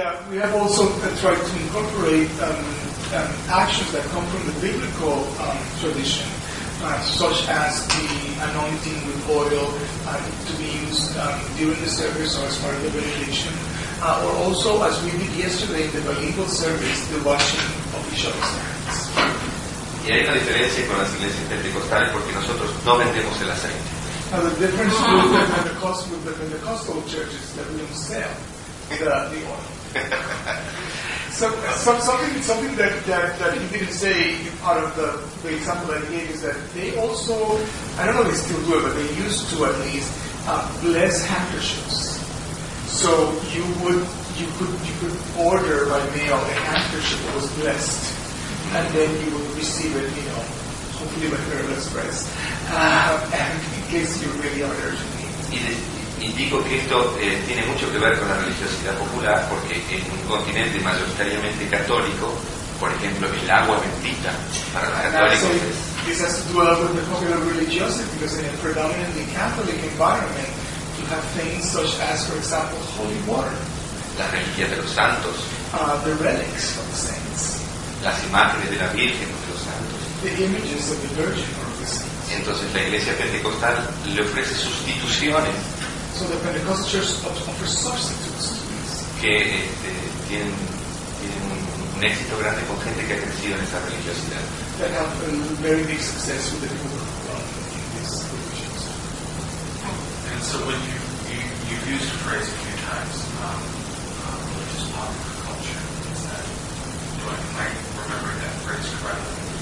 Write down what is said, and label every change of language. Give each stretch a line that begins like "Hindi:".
English: We have also tried to incorporate actions that come from the biblical tradition, such as the anointing with oil to be used during the service or as part of the benediction. Or also, as we did yesterday in the bilingual service, the washing of each other's hands.
Spanish: Y hay una diferencia con las iglesias pentecostales porque nosotros no vendemos el aceite.
English: Now the difference with the Pentecostal churches that we don't sell the oil. So something that you didn't say part of the example that I gave is that they also, I don't know if they still do it, but they used to at least bless handkerchiefs. So you could order by mail a handkerchief that was blessed, and then you would receive it, hopefully by prayerless press, and in case you really are urgent.
Spanish: Y digo que esto tiene mucho que ver con la religiosidad popular, porque en un continente mayoritariamente católico, por ejemplo, el agua bendita para los católicos.
English: This has to do a lot with the popular religiosity, because in a predominantly Catholic environment, you have things such as, for example, holy water.
Spanish: Las reliquias de los santos.
English: The relics of the saints.
Spanish: Las imágenes de la Virgen o de los santos.
English: The images of the Virgin or the saints.
Spanish: Entonces la Iglesia Pentecostal le ofrece sustituciones.
English: So the Pentecostal churches offer substitutes to these.
Spanish: Que tienen un éxito grande con gente que ha crecido en esa religiosidad.
English: That have a very big success with the people in these religions. And so when you've used the phrase a few times, religious popular culture, am I remembering that phrase correctly?